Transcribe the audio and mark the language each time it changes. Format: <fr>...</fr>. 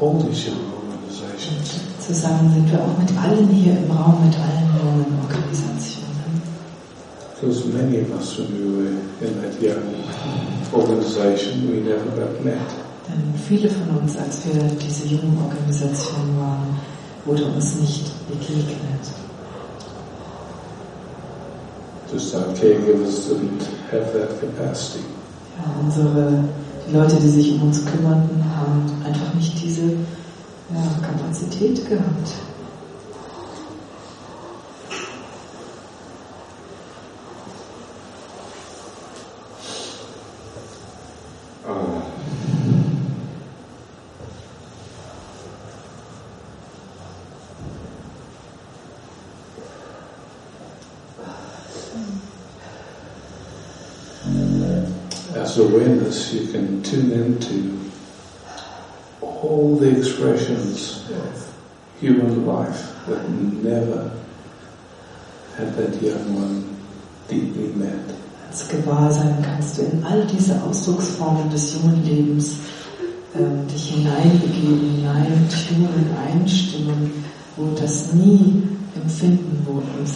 <de>Zusammen sind wir auch mit allen hier im Raum, mit allen jungen Organisationen.</de> <en>Because many of us, when we were in that young organization, we never got met.</en> <de>Denn viele von uns, als wir diese jungen Organisation waren, wurde uns nicht begegnet.</de> <en>Just our caregivers didn't have that capacity.</en> <de>Ja, unsere die Leute, die sich um uns kümmerten, haben einfach nicht diese Kapazität gehabt.</de> <en>Awareness, you can tune into all the expressions of human life that never had that young one deeply met.</en> <de>Als Gewahrsein kannst du in all diese Ausdrucksformen des jungen Lebens dich hineinbegeben, hineintunen, einstimmen, wo das nie empfunden wurde.</de>